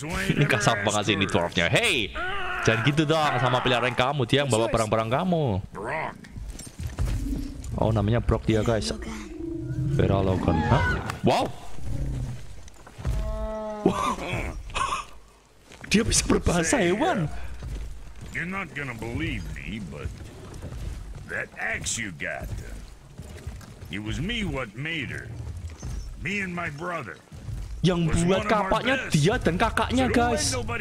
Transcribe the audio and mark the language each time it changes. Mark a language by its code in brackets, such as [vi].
[id] Ini kasar banget sih ini dwarfnya. Hey, jangan gitu dong sama peliharaan kamu. Dia yang bawa barang-barang kamu. Oh namanya Brock dia guys. Vera Logan. Huh? Wow. Dia bisa berbahasa hewan. [en] You're not gonna believe me, but that axe you got, it was me what made her. Me and my brother. [id] Yang buat kapaknya dia dan kakaknya, guys.